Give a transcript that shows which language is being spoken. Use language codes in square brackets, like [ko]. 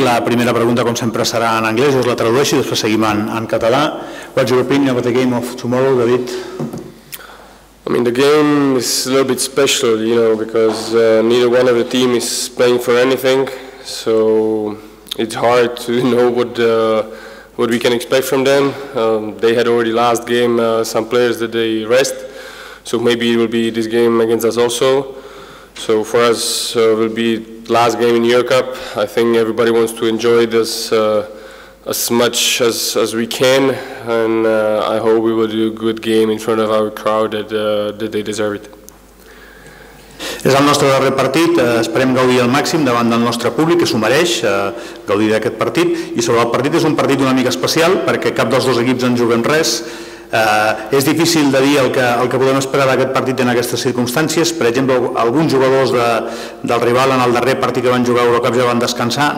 [ca] La primera pregunta, com sempre, serà en anglès. Us la tradueixo i després seguim en català. [en] What's your opinion about the game of tomorrow, David? I mean, the game is a little bit special, you know, because neither one of the team is playing for anything, so it's hard to know what we can expect from them. They had already last game some players that they rest. So maybe it will be this game against us also. So for us, it will be last game in Euro Cup. I think everybody wants to enjoy this as much as we can, and I hope we will do a good game in front of our crowd that they deserve it. [ca] És el nostre darrer partit, esperem gaudir al màxim davant del nostre públic, que s'ho mereix gaudir d'aquest partit, i sobre el partit és un partit una mica especial, perquè cap dels dos equips en juguem res. És difícil de dir el que podem esperar d'aquest partit en aquestes circumstàncies. Per exemple, alguns jugadors del rival en el darrer partit que van jugar a Eurocup ja van descansar.